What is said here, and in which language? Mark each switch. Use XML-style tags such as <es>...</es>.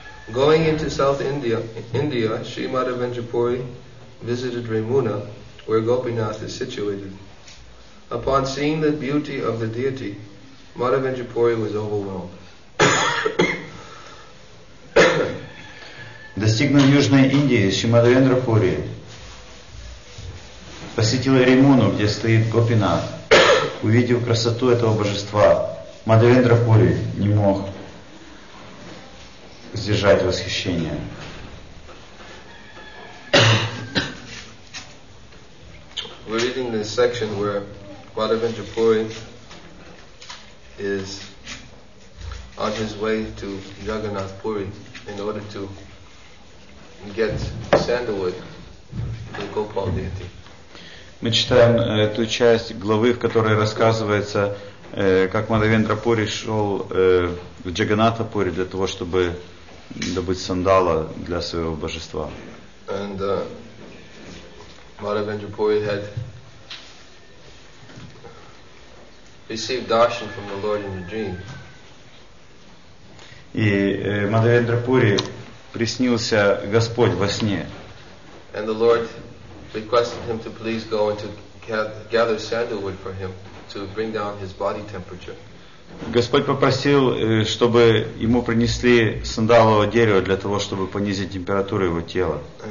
<en>Going into South India, Sri Madhavendrapuri visited Remuna, where Gopinath is situated. Upon seeing the beauty of the deity, Madhavendrapuri was overwhelmed.</en> <ru>Достигнув Южной Индии, Шри Мадхавендрапури посетил Ремуну, где стоит Гопинат. Увидев красоту этого божества, Мадхавендрапури не мог сдержать восхищение.</ru> <en>We're reading this section where Madhavendrapuri is on his way to Jagannath Puri in order to get sandalwood to Gopal deity.</en> <ru>Мы читаем эту часть главы, в которой рассказывается, как Мадхавендрапури шел в Джаганнатха Пури для того, чтобы добыть сандала для своего божества.</ru> <en>And Madhavendrapuri had received darshan from the Lord in a dream.</en> <ru>И Мадхавендрапури приснился Господь во сне.</ru> <en>And the Lord requested him to please go and to gather sandalwood for him to bring down his body temperature.</en> <ru>Господь попросил, чтобы ему принесли сандалово дерево для того, чтобы понизить температуру его тела.</ru>